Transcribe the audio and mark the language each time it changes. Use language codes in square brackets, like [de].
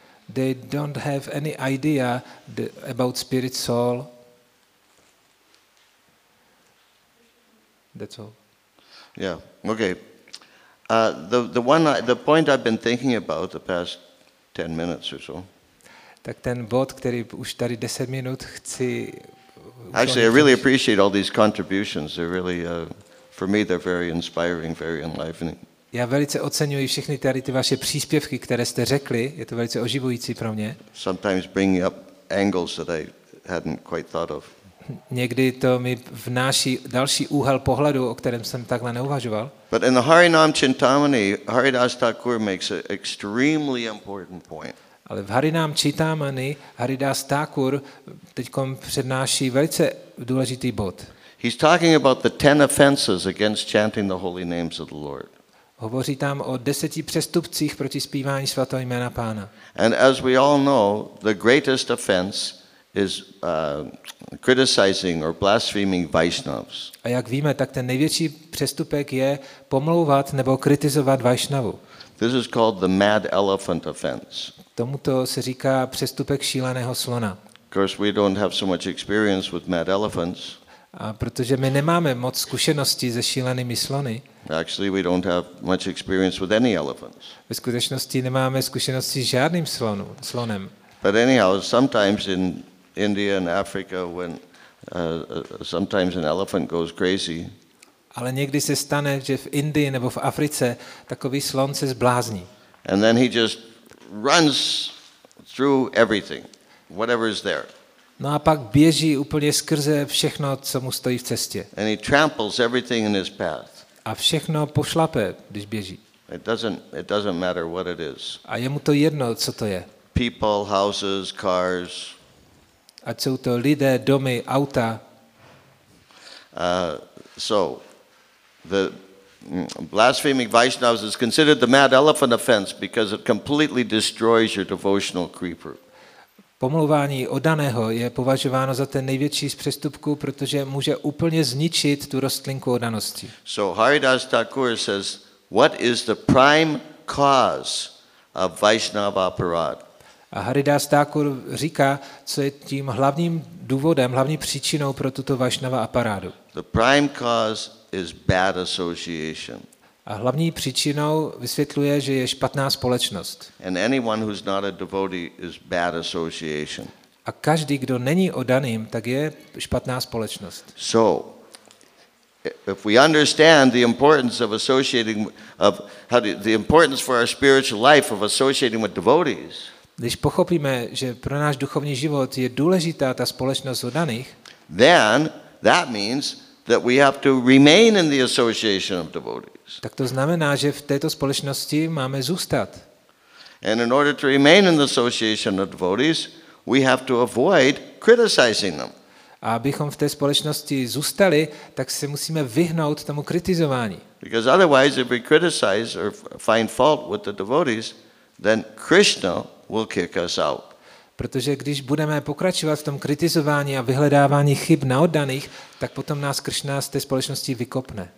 [en] They don't have any idea about spirit soul. That's all. Yeah. Okay. The point I've been thinking about the past 10 minutes or so. [cs] Tak ten bod, který už tady 10 minut chci. [en] Actually, I really appreciate all these contributions. They're really, for me, they're very inspiring, very enlivening. [cs] Já velice oceňuji všechny tady ty vaše příspěvky, které jste řekli. Je to velice oživující pro mě. [en] Sometimes bringing up angles that I hadn't quite thought of. [cs] Někdy to mi vnáší další úhel pohledu, o kterém jsem takhle neuvažoval. [en] But in the Harinam Chintamani, Haridas Thakur makes an extremely important point. [cs] Ale v Harinam Chintamani Haridas Thakur teďkom přednáší velice důležitý bod. [en] He's talking about the 10 offenses against chanting the holy names of the Lord. [cs] Hovoří tam o 10 přestupcích proti zpívání svatého jména Pána. [en] And as we all know, the greatest offense is criticizing or blaspheming Vaishnavas. [cs] A jak víme, tak ten největší přestupek je pomlouvat nebo kritizovat Vaishnavu. [en] This is called the mad elephant offense. [cs] Tomuto se říká přestupek šíleného slona. [en] Of course, we don't have so much experience with mad elephants. [cs] A protože my nemáme moc zkušeností se šílenými slony. [en] Actually, we don't have much experience with any elephants. [cs] Ve skutečnosti nemáme zkušenosti s žádným slonem. [en] But anyhow, sometimes in India and Africa, when sometimes an elephant goes crazy. [cs] Ale někdy se stane, že v Indii nebo v Africe takový slon se zblázní. [en] And then he just runs through everything, whatever is there. [cs] No a pak běží úplně skrze všechno, co mu stojí v cestě. [en] And he tramples everything in his path. [cs] A všechno pošlape, když běží. [en] It doesn't matter what it is. [cs] A je mu to jedno, co to je. [en] People, houses, cars. [cs] A jsou to lidé, domy, auta. [en] So the blaspheming Vaishnavas is considered the mad elephant offense because it completely destroys your devotional creeper. [cs] Pomlouvání odaného je považováno za ten největší z přestupků, protože může úplně zničit tu rostlinku odanosti. [en] So Haridas Thakur says, what is the prime cause of Vaishnava aparad? [cs] A Haridas Thakur říká, co je tím hlavním důvodem, hlavní příčinou pro tuto Vaishnava aparádu. [en] The prime cause is bad association. [cs] A hlavní příčinou vysvětluje, že je špatná společnost. [en] And anyone who's not a devotee is bad association. [cs] A každý, kdo není oddaným, tak je špatná společnost. [en] So, if we understand the importance of associating of how the importance for our spiritual life of associating with devotees. [cs] Když pochopíme, že pro náš duchovní život je důležitá ta společnost oddaných, [en] then that means that we have to remain in the association of devotees. [cs] Tak to znamená, že v této společnosti máme zůstat. [en] And in order to remain in the association of devotees, we have to avoid criticizing them. [cs] A abychom v té společnosti zůstali, tak se musíme vyhnout tomu kritizování. [en] Because otherwise if we criticize or find fault with the devotees, then Krishna will kick us out. [cs] Protože když budeme pokračovat v tom kritizování a vyhledávání chyb na oddaných, tak potom nás Krishna z té společnosti vykopne.